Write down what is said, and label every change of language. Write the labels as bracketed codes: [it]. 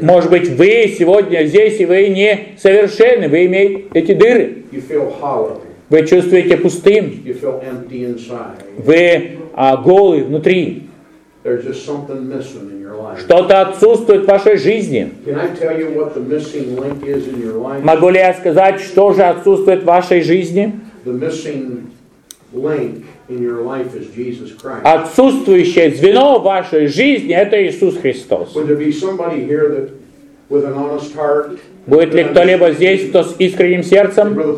[ru] Может быть, вы сегодня здесь, и вы не совершенны. Вы имеете эти дыры. Вы чувствуете пустым. Вы голы внутри. [en] There's just something missing in your life. [ru] Что-то отсутствует в вашей жизни. [en] Can I tell you what the missing link is in your life? [ru] Могу ли я сказать, что же отсутствует в вашей жизни? [en] The missing link in your life is Jesus Christ. [ru] Отсутствующее звено в вашей жизни – это Иисус Христос. [en] Would there be somebody here that, with an honest heart? [ru] Будет ли кто-либо здесь, кто с искренним сердцем?